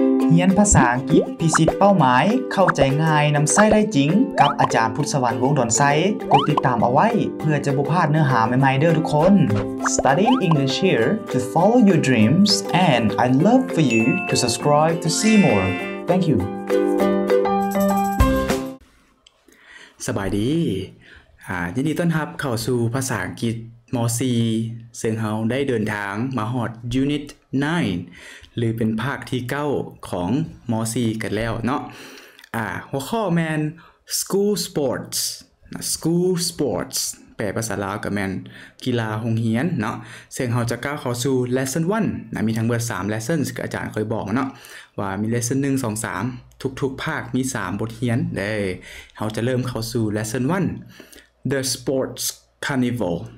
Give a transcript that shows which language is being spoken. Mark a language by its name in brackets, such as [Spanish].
[Thai] เรียนภาษาอังกฤษพิชิตเป้าหมายเข้าใจง่ายนำไส้ได้จริงกับอาจารย์พุทธสวรรค์วงดอนไซกดติดตามเอาไว้เพื่อจะบ่พลาดเนื้อหาใหม่ๆเด้อทุกคน [English] Studying English here to follow your dreams and I'd love for you to subscribe to see moreThank you. [Thai] สบายดียินดีต้อนรับเข้าสู่ภาษาอังกฤษม.4 ซึ่งเฮาได้เดินทางมาฮอด Unit 9 หรือเป็นภาคที่9ของม.4 กันแล้วเนาะ หัวข้อแมน [English] School Sports School Sports [Thai] แปลภาษาลาวก็แม่นกีฬาโรงเรียนเนาะซึ่งเราจะก้าวเข้าสู่ Lesson 1นะมีทั้งเบิด3 Lessons ที่อาจารย์เคยบอกเนาะว่ามี Lesson 1 2 3ทุกๆภาคมี3บทเรียนเด้เราจะเริ่มเข้าสู่ Lesson 1 [English] The Sports Carnival